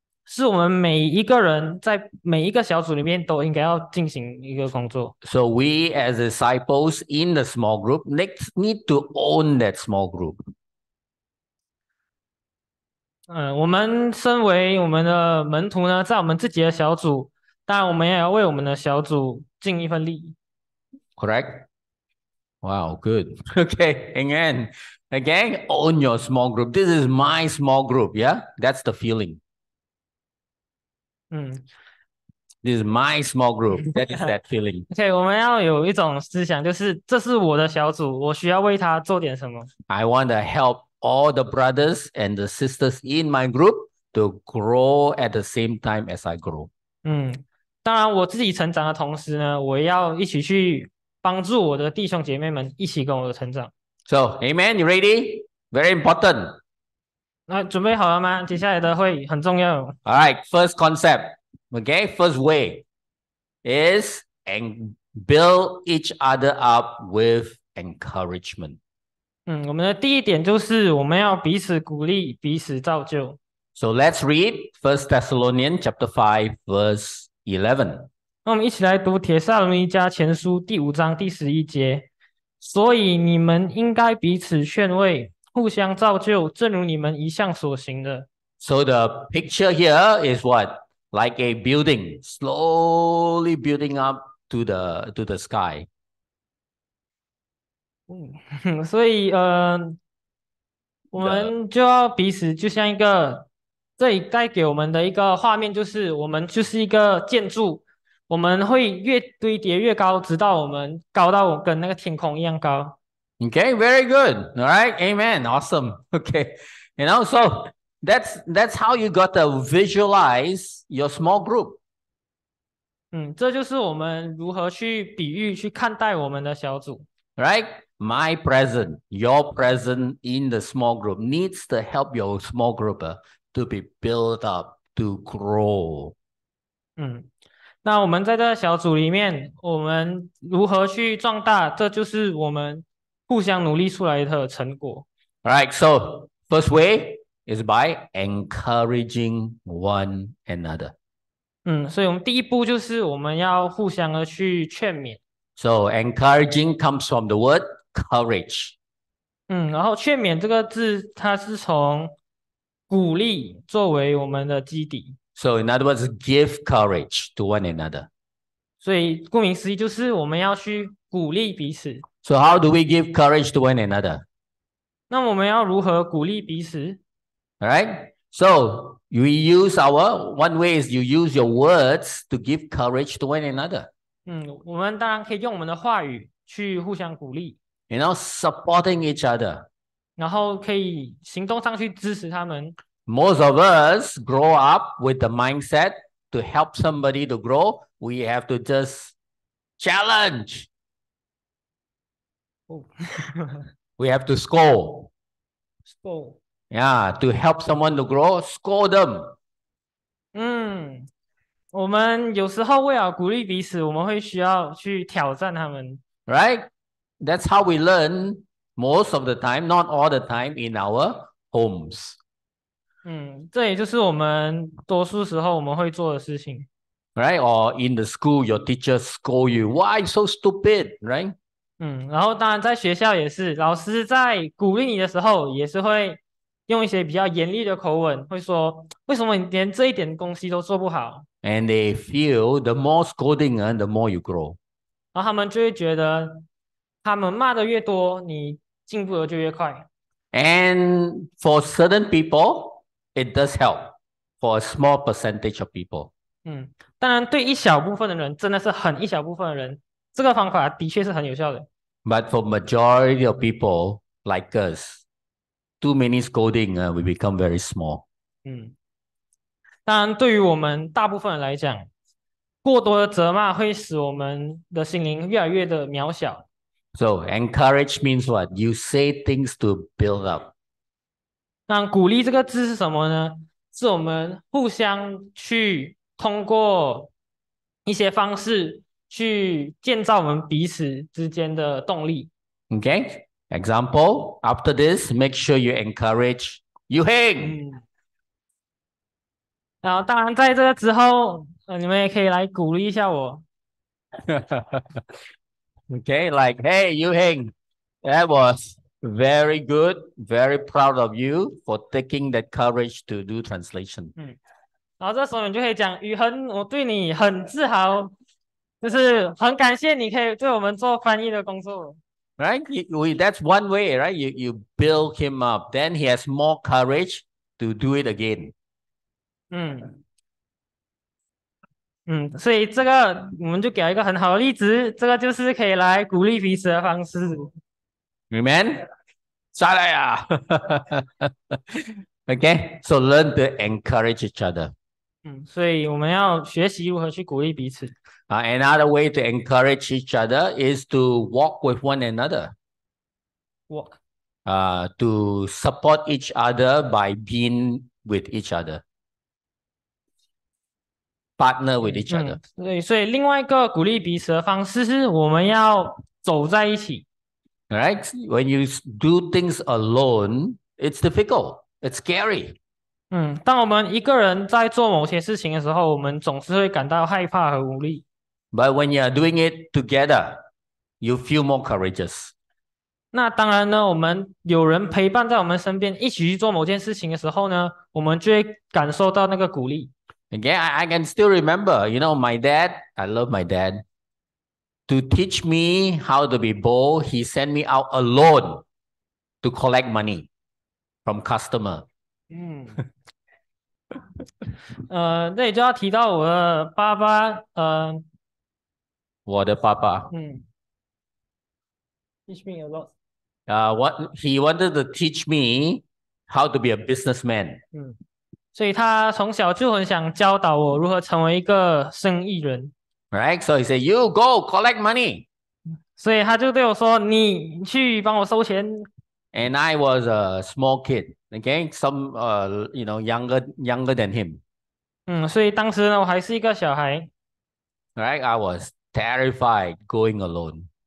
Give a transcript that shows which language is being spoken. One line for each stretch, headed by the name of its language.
Chinese: 是我们每一个人在每一个小组里面都应该要进行一个工作。
English: So we as disciples in the small group need to own that small group.
Chinese: 我们身为我们的门徒呢，在我们自己的小组，当然我们也要为我们的小组尽一份力。
English: Correct. Wow, good. Okay, again, own your small group. This is my small group. Yeah, that's the feeling. This is my small group. That is that feeling.
Chinese: Okay, 我们要有一种思想，就是这是我的小组，我需要为他做点什么。
English: I want to help all the brothers and the sisters in my group to grow at the same time as I grow.
Chinese: 当然，我自己成长的同时呢，我要一起去帮助我的弟兄姐妹们一起跟我的成长。
English: So, amen, you ready? Very important.
Chinese: 那准备好了吗？接下来的会很重要。
English: Alright, first concept, okay, first way is and build each other up with encouragement.
Chinese: 我们的第一点就是我们要彼此鼓励，彼此造就。
English: So let's read 1 Thessalonians chapter 5, verse 11.
Chinese: 那我们一起来读《帖撒罗尼迦前书》第五章第十一节。所以你们应该彼此劝慰，互相造就，正如你们一向所行的。
English: So the picture here is what? Like a building, slowly building up to the sky.
Chinese: 所以我们就要彼此就像一个，这里带给我们的一个画面就是，我们就是一个建筑。我们会越堆叠越高，直到我们高到跟那个天空一样高。
English: Okay, very good. All right, amen, awesome. Okay, you know, so that's how you got to visualize your small group.
Chinese: 这就是我们如何去比喻、去看待我们的小组。
English: Right, my present, your present in the small group needs to help your small group to be built up, to grow.
Chinese: 那我们在这个小组里面，我们如何去壮大？这就是我们互相努力出来的成果。
English: Right, so first way is by encouraging one another.
Chinese: 所以我们第一步就是我们要互相的去劝勉。
English: So encouraging comes from the word courage.
Chinese: 然后劝勉这个字，它是从鼓励作为我们的基底。
English: So in other words, give courage to one another.
Chinese: 所以顾名思义就是我们要去鼓励彼此。
English: So how do we give courage to one another?
Chinese: 那我们要如何鼓励彼此？
English: Alright, so we use our, one way is you use your words to give courage to one another.
Chinese: 嗯，我们当然可以用我们的话语去互相鼓励。
English: You know, supporting each other.
Chinese: 然后可以行动上去支持他们。
English: Most of us grow up with the mindset to help somebody to grow, we have to just challenge. Oh. We have to scold. Scold. Yeah, to help someone to grow, scold them.
Chinese: 嗯，我们有时候为了鼓励彼此，我们会需要去挑战他们。
English: Right? That's how we learn most of the time, not all the time, in our homes.
Chinese: 嗯，这也就是我们多数时候我们会做的事情。
English: Right? Or in the school, your teacher scold you. Why so stupid? Right?
Chinese: 嗯，然后当然在学校也是，老师在鼓励你的时候也是会用一些比较严厉的口吻，会说为什么你连这一点东西都做不好。
English: And they feel the more scolding and the more you grow.
Chinese: 然后他们就会觉得他们骂的越多，你进步的就越快。
English: And for certain people, it does help. For a small percentage of people.
Chinese: 嗯，当然对一小部分的人，真的是很一小部分的人，这个方法的确是很有效的。
English: But for majority of people like us, too many scolding, we become very small.
Chinese: 嗯，当然对于我们大部分人来讲，过多的责骂会使我们的心灵越来越的渺小。
English: So encourage means what? You say things to build up.
Chinese: 那鼓励这个字是什么呢？是我们互相去通过一些方式去建造我们彼此之间的动力。
English: Okay, example, after this, make sure you encourage Yu Heng.
Chinese: 然后当然在这个之后，你们也可以来鼓励一下我。
English: Okay, like, hey, Yu Heng, that was very good, very proud of you for taking that courage to do translation.
Chinese: 嗯，然后这时候你就可以讲，宇恒，我对你很自豪。就是很感谢你可以对我们做翻译的工作。
English: Right? That's one way, right? You build him up, then he has more courage to do it again.
Chinese: 嗯。嗯，所以这个我们就给了一个很好的例子，这个就是可以来鼓励彼此的方式。 Amen? 再来啊。
English: Okay, so learn to encourage each other.
Chinese: 嗯，所以我们要学习如何去鼓励彼此。
English: Another way to encourage each other is to walk with one another. Walk. To support each other by being with each other. Partner with each other.
Chinese: 嗯，对，所以另外一个鼓励彼此的方式是我们要走在一起。
English: Right? When you do things alone, it's difficult. It's scary.
Chinese: 嗯，当我们一个人在做某些事情的时候，我们总是会感到害怕和无力。
English: But when you are doing it together, you feel more courageous.
Chinese: 那当然呢，我们有人陪伴在我们身边，一起去做某件事情的时候呢，我们就会感受到那个鼓励。
English: Okay, I can still remember, you know, my dad, I love my dad. To teach me how to be bold, he sent me out alone to collect money from customer.
Chinese: 嗯，那也就要提到我的爸爸，我的爸爸，
English: 嗯 ，teach me a lot. What he wanted to teach me how to be a businessman.
Chinese: 嗯，所以他从小就很想教导我如何成为一个生意人。
English: Right, so he said, "You go collect money."
Chinese: 所以他就对我说，你去帮我收钱。
English: And I was a small kid, okay? Younger than him.
Chinese: 嗯，所以当时呢，我还是一个小孩。
English: Right, I was terrified going alone.